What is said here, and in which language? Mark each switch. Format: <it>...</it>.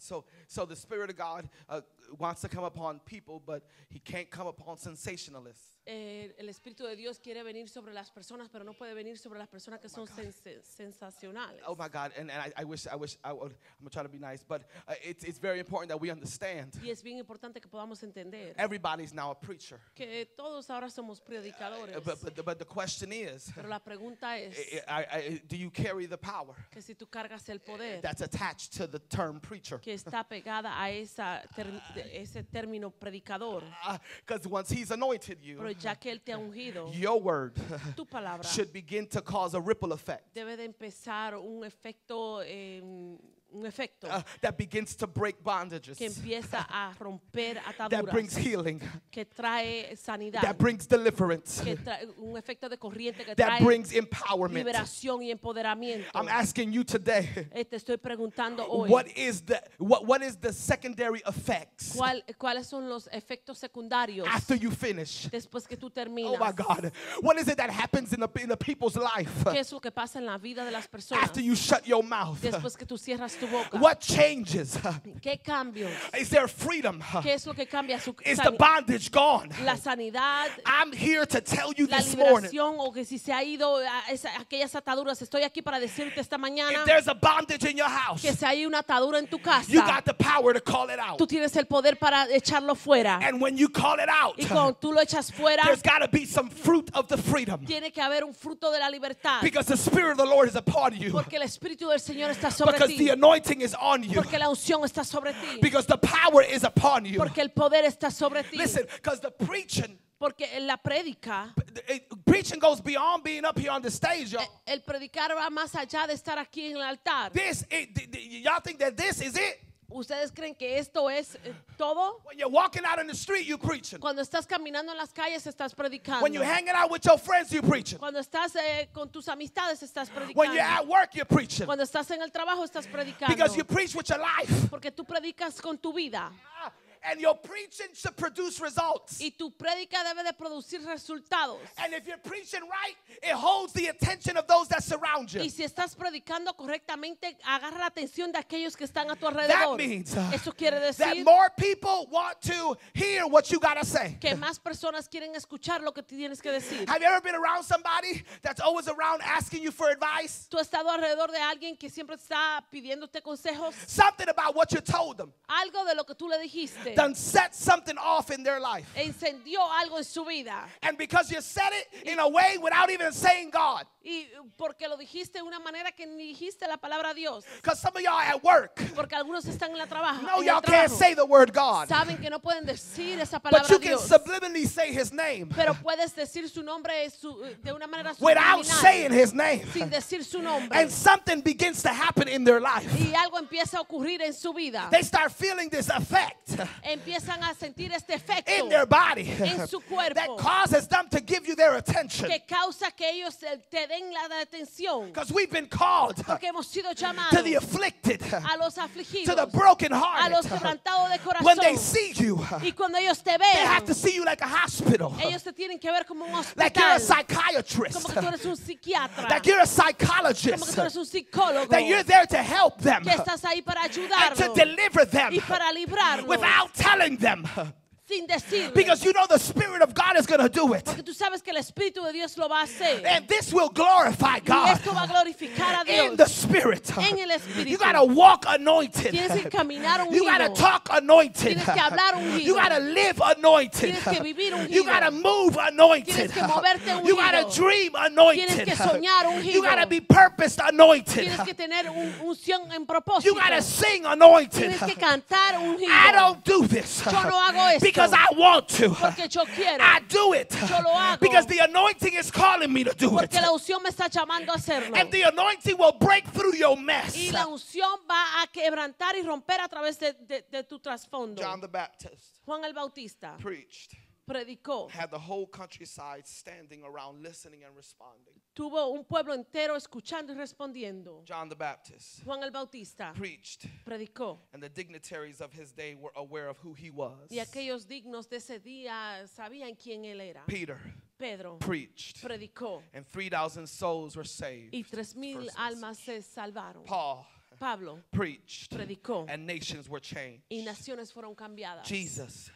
<en>So the Spirit of God wants to come upon people, but he can't come upon sensationalists.</en> <es>El Espíritu de Dios quiere venir sobre las personas, pero no puede venir sobre las personas que son sensacionales.</es> <en>Oh my God. And I wish I'm gonna try to be nice, but it's very important that we understand.</en> <es>Y es bien importante que podamos entender.</es> <en>Everybody's now a preacher.</en> <es>Que todos ahora somos predicadores.</es> <en>But the question is.</en> <es>Pero la pregunta es.</es> <en>Do you carry the power?</en> <es>Que si tú cargas el poder.</es> <en>That's attached to the term preacher.</en> <es>Que está pegada a esa ese término predicador.</es> <en>Because once he's anointed you.</en> <es>Pero ya que él te ha ungido,</es> <en>your word</en> <es>tu palabra,</es> <en>should begin to cause a ripple effect.</en> <es>Debe de empezar un efecto, un efecto,</es> <en>that begins to break bondages.</en> <es>Que empieza a romper ataduras,</es> <en>that brings healing.</en> <es>Que trae sanidad,</es> <en>that brings deliverance.</en> <es>Que trae un efecto de corriente, que</es> <en>that</en> <es>trae</es> <en>brings empowerment.</en> <es>Liberación y empoderamiento.</es> <en>I'm asking you today,</en> <es>te estoy preguntando hoy,</es> <en>what is the secondary effects?</en> <es>¿Cuáles son los efectos secundarios?</es> <en>After you finish.</en> <es>Después que tú terminas.</es> <en>Oh my God. What is it that happens in the people's life?</en> <es>¿Qué es lo que pasa en la vida de las personas?</es> <en>After you shut your mouth.</en> <es>Después que tú cierras.</es> <en>What changes?</en> <es>¿Qué cambios?</es> <en>Is there freedom?</en> <es>¿Qué es lo que cambia?</es> <en>Is the bondage gone?</en> <es>La sanidad.</es> <en>I'm here to tell you this morning.</en> <es>O que si se ha ido aquellas ataduras, estoy aquí para decirte esta mañana.</es> <en>If there's a bondage in your house,</en> <es>que si hay una atadura en tu casa,</es> <en>you got the power to call it out.</en> <es>Tú tienes el poder para echarlo fuera.</es> <en>And when you call it out,</en> <es>y cuando tú lo echas fuera,</es> <en>there's got to be some fruit of the freedom.</en> <es>Tiene que haber un fruto de la libertad.</es> <en>Because the Spirit of the Lord is upon you.</en> <es>Porque el Espíritu del Señor está sobre ti.</es> <en>The anointing is on you.</en> <es>Porque la unción está sobre ti.</es> <en>Because the power is upon you.</en> <es>Porque el poder está sobre ti.</es> <en>Listen, because the preaching.</en> <es>Porque la predica.</es> <en>Preaching goes beyond being up here on the stage, y'all.</en> <es>El predicar va más allá de estar aquí en el altar.</es> <en>This, y'all think that this is it?</en> <es>¿Ustedes creen que esto es todo?</es> <en>When you're walking out in the street, you're preaching.</en> <es>Cuando estás caminando en las calles, estás predicando.</es> <en>When you're hanging out with your friends, you're preaching.</en> <es>Cuando estás con tus amistades, estás predicando.</es> <en>When you're at work, you're preaching.</en> <es>Cuando estás en el trabajo, estás predicando.</es> <en>Because you preach with your life.</en> <es>Porque tú predicas con tu vida.</es> <en>And your preaching should produce results.</en> <es>Y tu prédica debe de producir resultados.</es> <en>And if you're preaching right, it holds the attention of those that surround you.</en> <es>Y si estás predicando correctamente, agarra la atención de aquellos que están a tu alrededor.</es> <en>That means,</en> <es>eso quiere decir,</es> <en>that more people want to hear what you got to say.</en> <es>Que más personas quieren escuchar lo que tienes que decir.</es> <en>Have you ever been around somebody that's always around asking you for advice?</en> <es>¿Tú has estado alrededor de alguien que siempre está pidiéndote consejos?</es> <en>Something about what you told them.</en> <es>Algo de lo que tú le dijiste.</es> <en>Then set something off in their life.</en> <es>Encendió algo en su vida.</es> <en>And because you said it in a way without even saying God.</en> <es>Y porque lo dijiste de una manera que ni dijiste la palabra Dios.</es> <en>Because some of y'all are at work.</en> <es>Porque algunos están en la trabajo.</es> <en>No, y'all can't say the word God.</en> <es>Saben que no pueden decir esa palabra Dios.</es> <en>But you can subliminally say His name.</en> <es>Pero puedes decir su nombre de una manera subliminal.</es> <en>Without saying His name.</en> <es>Sin decir su nombre.</es> <en>And something begins to happen in their life.</en> <es>Y algo empieza a ocurrir en su vida.</es> <en>They start feeling this effect.</en> <es>Empiezan a sentir este efecto</es> <en>in their body</en> <es>en su cuerpo</es> <en>that causes them to give you their attention.</en> <es>Que causa que ellos te den la atención.</es> <en>Because we've been called</en> <es>porque hemos sido llamados</es> <en>to the afflicted,</en> <es>a los afligidos,</es> <en>to the broken hearted,</en> <es>a los quebrantados de corazón.</es> <en>When they see you,</en> <es>y cuando ellos te ven,</es> <en>they have to see you like a hospital,</en> <es>ellos te tienen que ver como un hospital,</es> <en>like you're a psychiatrist,</en> <es>como que tú eres un psiquiatra,</es> <en>like you're a psychologist,</en> <es>como que tú eres un psicólogo,</es> <en>that you're there to help them,</en> <es>que estás ahí para ayudarlos,</es> <en>and to deliver them,</en> <es>y para librarlos,</es> <en>without telling them.</en> <es>Sin decirle.</es> <en>Because you know the Spirit of God is going to do it.</en> <es>Porque tú sabes que el Espíritu de Dios lo va a hacer.</es> <en>And this will glorify God.</en> <es>Y esto va a glorificar a Dios.</es> <en>In the Spirit.</en> <es>En el Espíritu.</es> <en>You got to walk anointed.</en> <es>Tienes que caminar ungido.</es> <en>You got to talk anointed.</en> <es>Tienes que hablar ungido.</es> <en>You got to live anointed.</en> <es>Tienes que vivir ungido.</es> <en>You got to move anointed.</en> <es>Tienes que moverte ungido.</es> <en>You got to dream anointed.</en> <es>Tienes que soñar ungido.</es> <en>You got to be purposed anointed.</en> <es>Tienes que tener unción en propósito.</es> <en>You got to sing anointed.</en> <es>Tienes que cantar ungido.</es> <en>I don't do this.</en> <es>Yo no hago esto.</es> <en>Because I want to.</en> <es>Porque yo quiero.</es> <en>I do it.</en> <es>Yo lo hago.</es> <en>Because the anointing is calling me to do</en> <es>porque</es> <en>it.</en> <es>Porque la unción me está llamando a hacerlo.</es> <en>And the anointing will break through your mess.</en> <es>Y la unción va a quebrantar y romper a través de tu trasfondo.</es> <en>John the Baptist.</en> <es>Juan el Bautista.</es> <en>Preached.</en> <es>predicó.</es> <en>Had the whole countryside standing around listening and responding.</en> <es>Tuvo un pueblo entero escuchando y respondiendo.</es> <en>John the Baptist.</en> <es>Juan el Bautista.</es> <en>Preached.</en> <es>Predicó.</es> <en>And the dignitaries of his day were aware of who he was.</en> <es>Y aquellos dignos de ese día sabían quién él era.</es> <en>Peter.</en> <es>Pedro</es> <en>preached,</en> <es>predicó,</es> <en>and 3,000 souls were saved.</en> <es>Y 3,000 almas se salvaron.</es> <en>Paul,</en> <es>Pablo,</es> <en>preached,</en> <es>predicó,</es> <en>and nations were changed.</en> <es>Y naciones fueron cambiadas.</es> <en>Jesus,</en>